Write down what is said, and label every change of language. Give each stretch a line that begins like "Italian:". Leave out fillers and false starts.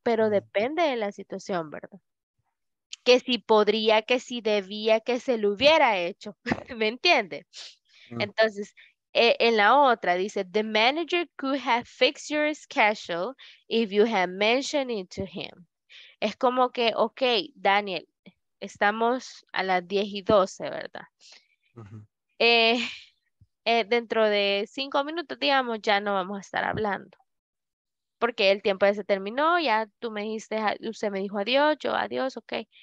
Spanish: Pero depende de la situación, ¿verdad? Que si podría, que si debía, que se lo hubiera hecho. ¿Me entiende? Entonces... en la otra dice,
English: the manager could have fixed your schedule if you had mentioned it to him.
Spanish: Es como que, ok, Daniel, estamos a las 10 y 12, ¿verdad? Uh-huh. Dentro de 5 minutos, digamos, ya no vamos a estar hablando. Porque el tiempo ya se terminó, ya tú me dijiste, usted me dijo adiós, yo adiós, ok.